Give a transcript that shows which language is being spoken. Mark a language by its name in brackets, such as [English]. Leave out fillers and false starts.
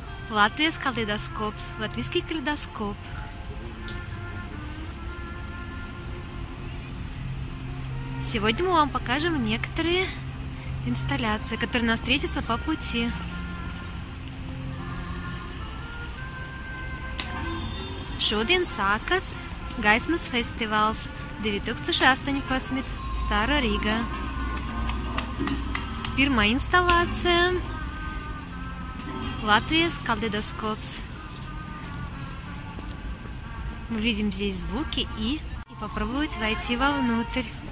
[Latvian] Latvijas kaleidoskops, [Russian] латвийский калейдоскоп. Сегодня мы вам покажем некоторые инсталляции, которые нас встретятся по пути. [Latvian] Šodien sākas Gaismas festivāls 2018. Stara Rīga. Pirmā instalācija – Latvijas kaleidoskops. [Russian] Мы видим здесь звуки и попробовать войти вовнутрь.